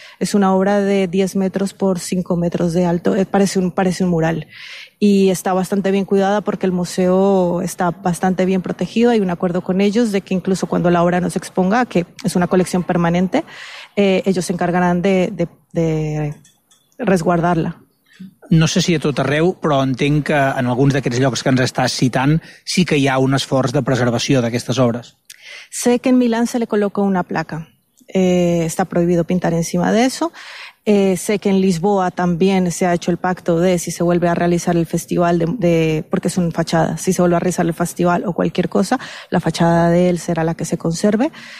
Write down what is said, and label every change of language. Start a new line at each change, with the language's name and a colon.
Spanish: Es una obra de 10 metros por 5 metros de alto. Parece un mural. Y está bastante bien cuidada porque el museo está bastante bien protegido. Hay un acuerdo con ellos de que incluso cuando la obra no se exponga, que es una colección permanente, ellos se encargarán de resguardarla.
Catalan: No sé si a tot arreu, però entenc que en alguns d'aquests llocs que ens estàs citant sí que hi ha un esforç de preservació d'aquestes obres.
Spanish: Sé que en Milán se le colocó una placa. Está prohibido pintar encima de eso. Sé que en Lisboa también se ha hecho el pacto de si se vuelve a realizar el festival, porque es una fachada, si se vuelve a realizar el festival o cualquier cosa, la fachada de él será la que se conserve.